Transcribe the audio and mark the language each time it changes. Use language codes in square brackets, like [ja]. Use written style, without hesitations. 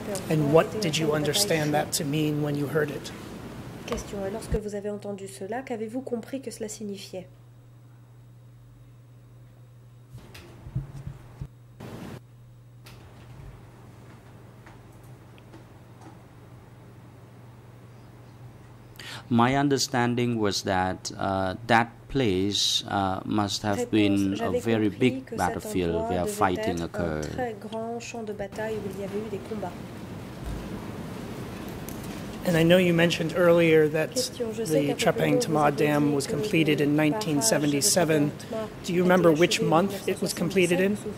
[en] And what did you understand that to mean when you heard it? Question. [fr] Et lorsque vous avez entendu cela, qu'avez-vous compris que cela signifiait? [en] My understanding was that that place must have [fr] réponse, [en] been a very big battlefield where fighting occurred. [fr] Un très grand champ de bataille où il y avait eu des combats. [en] And I know you mentioned earlier that the Chapeng Tama Dam was completed in 1977. Do you remember which month it was completed in?